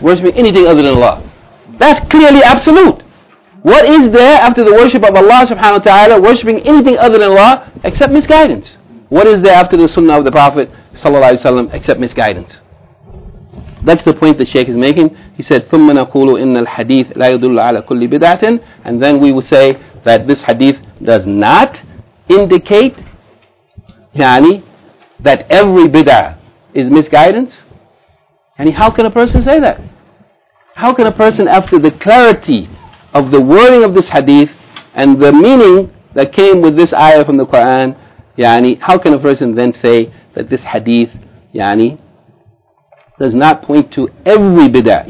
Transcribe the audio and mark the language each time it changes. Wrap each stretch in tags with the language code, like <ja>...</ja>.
<en>Worship anything other than Allah. That's clearly absolute. What is there after the worship of Allah subhanahu wa ta'ala? Worshipping anything other than Allah except misguidance. What is there after the sunnah of the Prophet sallallahu alayhi wa sallam except misguidance? That's the point the Shaykh is making.</en> <ar>He said, ثُمَّ نَقُولُ إِنَّ الْحَدِيثِ لَا يُدُلُّ عَلَى كُلِّ بِدَعَةٍ.</ar> <en>And then we will say that this hadith does not indicate يعني, that every bid'ah is misguidance. And how can a person say that? How can a person, after the clarity of the wording of this hadith and the meaning that came with this ayah from the Quran, يعني, how can a person then say that this hadith يعني, does not point to every bid'ah?</en>